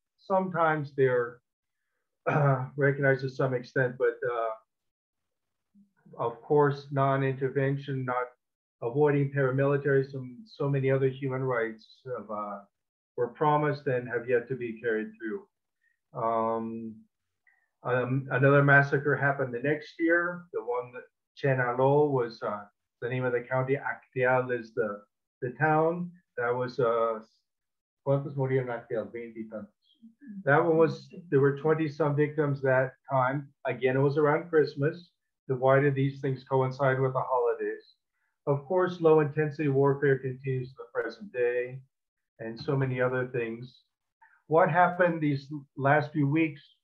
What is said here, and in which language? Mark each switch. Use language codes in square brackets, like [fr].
[en] Sometimes they're recognized to some extent, but of course, non-intervention, not avoiding paramilitaries and so many other human rights have, were promised and have yet to be carried through. Another massacre happened the next year. The one that Chenalo was the name of the county. Acteal is the town. That was, [es] ¿cuántos murieron Acteal? 20 tantos. [en] That one was, there were 20 some victims that time. Again, it was around Christmas. Why did these things coincide with the holidays? Of course, low intensity warfare continues to the present day and so many other things. What happened these last few weeks?